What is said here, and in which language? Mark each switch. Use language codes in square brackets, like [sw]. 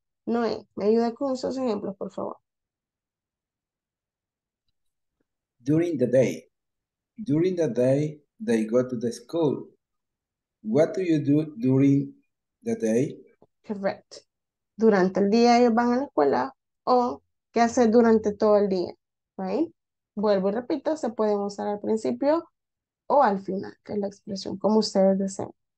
[es] Noé, ¿me ayuda con esos ejemplos, por favor? [en] During the day. During the day, they go to the school. What do you do during the day? Correct. [es] Durante el día ellos van a la escuela o ¿qué hacer durante todo el día? Right? Vuelvo y repito, se pueden usar al principio o al final, que es la expresión, como ustedes deseen.